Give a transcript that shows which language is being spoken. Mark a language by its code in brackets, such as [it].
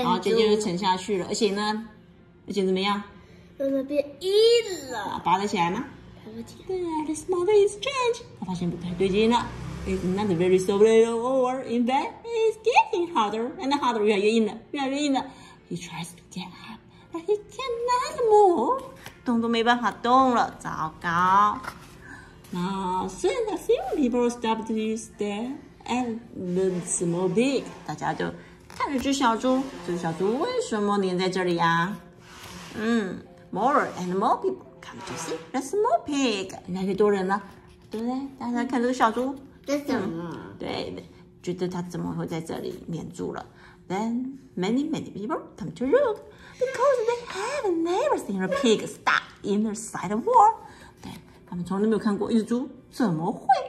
[zh] 然后这就沉下去了，而且呢，而且怎么样？慢慢变硬了。拔得起来吗？拔不起来。 [en] 对 ，this mound is strange. [zh] 他发现不太对劲了。 [en] It's not very soft at all. In fact, it's getting harder and harder. [zh] 越来越硬了，越来越硬了。 [en] He tries to get up, but he cannot move. [zh] 动都没办法动了，糟糕。 [en] Now, soon a few people stop to stare at the small pig. [zh] 大家就看着只小猪，这小猪为什么黏在这里呀？ [en] 嗯 ，more and more people come to see the small pig. [zh] 那些多人呢？对不对？大家看这个小猪。这是什么、对，觉得他怎么会在这里黏住了 [en] Then many many people come to look Because they have never seen a pig stuck in the side wall [zh] 对，他们从来没有看过一只猪怎么会